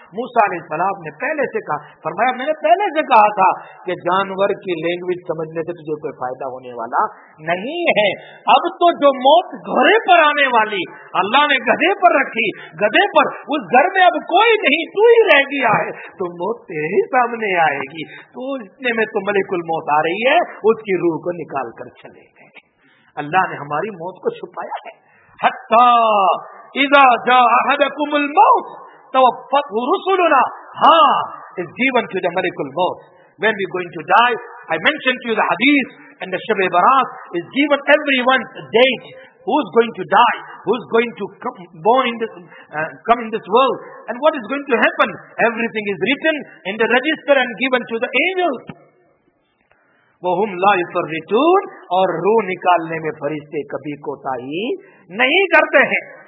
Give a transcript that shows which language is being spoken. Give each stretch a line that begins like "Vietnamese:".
Urdu: موسیٰ علیہ السلام نے پہلے سے کہا, فرمایا میں نے پہلے سے کہا تھا کہ جانور کی لینگویج سمجھنے سے تجھے کوئی فائدہ ہونے والا نہیں ہے, اب تو جو موت گھوڑے پر آنے والی اللہ نے گدھے پر رکھی, گدھے پر, اس گھر میں اب کوئی نہیں, تو ہی رہ گیا ہے, تو موت تیرے ہی سامنے آئے گی, تو اتنے میں تو ملک الموت آ رہی ہے, اس کی روح کو نکال کر چلے گئے. اللہ نے ہماری موت کو چھپایا ہے.
Arabic: حتی اذا جا احدکم الموت توفت رسولنا,
English: ہاں is given to the miracle موت, when we going to die, I mentioned to you the حدیث and the Shab Barat, is given everyone a date, who's going to die, who's going to come born in this, come in this world and what is going to happen, everything is written in the register and given to the angels.
Arabic: وَهُمْ لَا يُفَرِّطُونَ,
Urdu: اور روح نکالنے میں فرشتے کبھی کوتاہی نہیں کرتے ہیں.